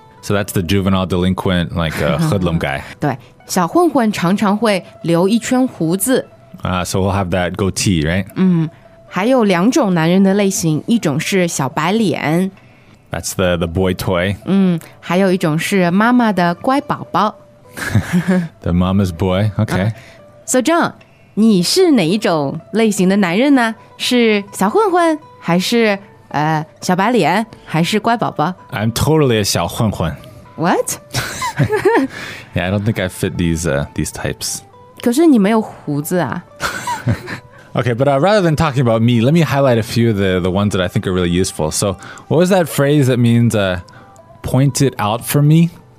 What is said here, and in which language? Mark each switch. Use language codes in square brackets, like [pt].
[en] So that's the juvenile delinquent, like a hoodlum guy. [zh] 对,小混混常常会留一圈胡子。 [en] So we'll have that goatee, right? [zh] 还有两种男人的类型,一种是小白脸。 [en] That's the boy toy. [zh] 还有一种是妈妈的乖宝宝。 [en] The mama's boy, okay. [zh] So John,你是哪一种类型的男人呢？是小混混，还是小白脸，还是乖宝宝 [en] ？I'm totally a 小混混。 What? Yeah, I don't think I fit these types. [zh] 可是你没有胡子啊。 [en] Okay, but rather than talking about me, let me highlight a few of the ones that I think are really useful. So, what was that phrase that means point it out for me?